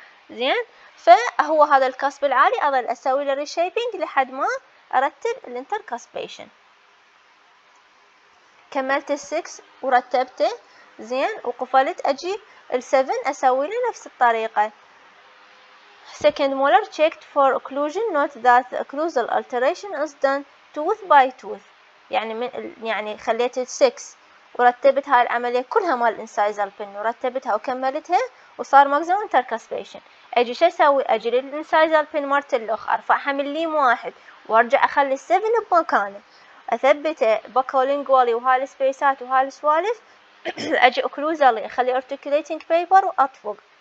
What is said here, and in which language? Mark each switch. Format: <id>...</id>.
<ar>زين، فهو هذا الكسب العالي اظل اسوي له ريشيبينج لحد ما ارتب الانتركسبيشن. كملت السكس ورتبته، زين، وقفلت، اجي السفن اسوي له نفس الطريقه.</ar> <en>Second molar checked for occlusion. Note that the occlusal alteration is done tooth by tooth.</en> <ar>يعني من يعني خليت السكس ورتبت هاي العملية كلها مال incisal pin ورتبتها وكملتها وصار مغزم intercuspation. اجي شو اسوي؟ اجي للincisal pin مرت الاخ ارفعها مليم واحد وارجع اخلي السفن بمكانه، اثبته بكولينجوالي وهالسبيسات وهالسوالف، اجي اوكلوزالي اخلي articulating paper واطفق.</ar>